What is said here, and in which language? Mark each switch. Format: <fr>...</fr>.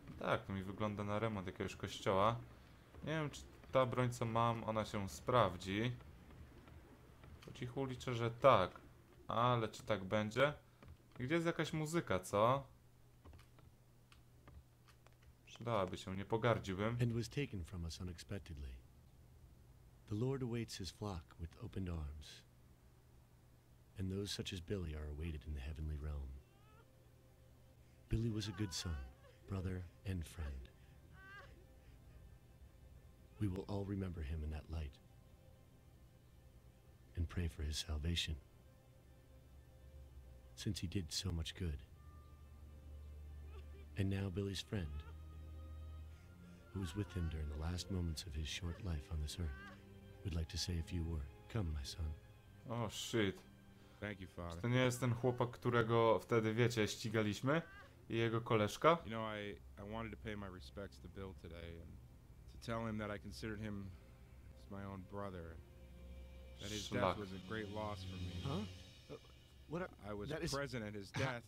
<pl>Tak, to mi wygląda na remont jakiegoś kościoła. Nie wiem, czy ta broń, co mam, ona się sprawdzi. Po cichu liczę, że tak. Ale czy tak będzie? Gdzie jest jakaś muzyka, co? Dałaby się, nie pogardziłbym.</pl> <en>And was taken from us unexpectedly. The Lord awaits his flock with opened arms. And those such as Billy are awaited in the heavenly realm. Billy was a good son, brother and friend. We will all remember him in that light. And pray for his salvation. Since he did so much good. And now Billy's friend, who was with him during the last moments of his short life on this earth, would like to say a few words. Come, my son. Oh shit. Thank you, father.</en> <pl>Czy to nie jest ten chłopak, którego wtedy, wiecie, ścigaliśmy? I jego koleżka?</pl> <en>You know, I wanted to pay my respects to Bill today and to tell him that I considered him as my own brother. That his death was a great loss for me. Huh? What are, I was that present is... at his death</en>